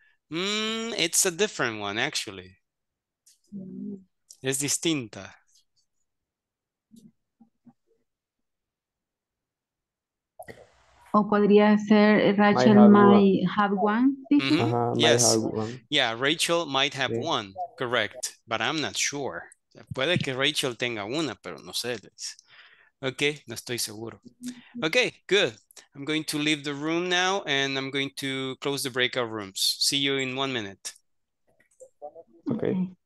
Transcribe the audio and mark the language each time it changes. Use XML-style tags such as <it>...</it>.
<en>It's a different one, actually.</en> <es>Es distinta. O podría ser Rachel</es> <en>might have one. Mm-hmm. Uh-huh. Yes. Yeah, Rachel might have one. Correct. But I'm not sure.</en> <es>Puede que Rachel tenga una, pero no sé. Okay, no estoy seguro.</es> <en>Okay, good. I'm going to leave the room now and I'm going to close the breakout rooms. See you in 1 minute. Okay.</en>